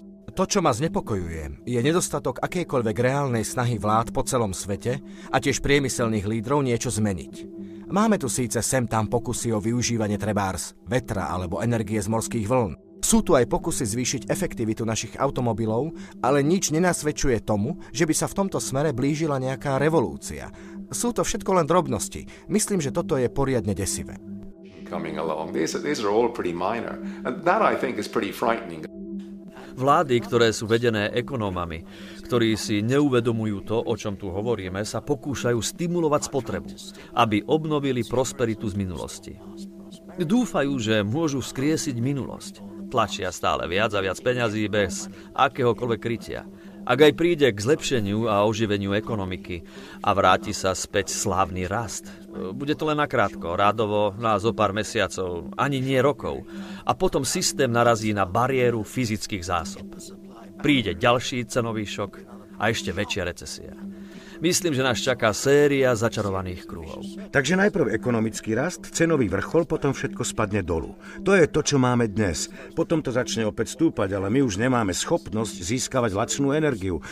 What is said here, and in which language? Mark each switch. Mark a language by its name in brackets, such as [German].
[Slovak] To, čo ma znepokojuje, je nedostatok akejkoľvek reálnej snahy vlád po celom svete a tiež priemyselných lídrov niečo zmeniť. Máme tu síce sem tam pokusy o využívanie trebárs, vetra alebo energie z morských vln. Sú tu aj pokusy zvýšiť efektivitu našich automobilov, ale nič nenasvedčuje tomu, že by sa v tomto smere blížila nejaká revolúcia. Sú to všetko len drobnosti. Myslím, že toto je poriadne desivé. [English] These are all pretty minor. And that I think is pretty frightening. [Slovak] Vlády, ktoré sú vedené ekonómami, ktorí si neuvedomujú to, o čom tu hovoríme, sa pokúšajú stimulovať spotrebu, aby obnovili prosperitu z minulosti. Dúfajú, že môžu skriesiť minulosť. Tlačia stále viac a viac peňazí bez akéhokoľvek krytia. Ak aj príde k zlepšeniu a oživeniu ekonomiky a vráti sa späť slávny rast, bude to len nakrátko, rádovo na zo pár mesiacov, ani nie rokov. A potom systém narazí na bariéru fyzických zásob. Príde ďalší cenový šok a ešte väčšia recesia. Myslím, že nás čaká séria začarovaných kruhov. Takže najprv ekonomický rast, cenový vrchol, potom všetko spadne dolu. To je to, čo máme dnes. Potom to začne opäť stúpať, ale my už nemáme schopnosť získavať lacnú energiu.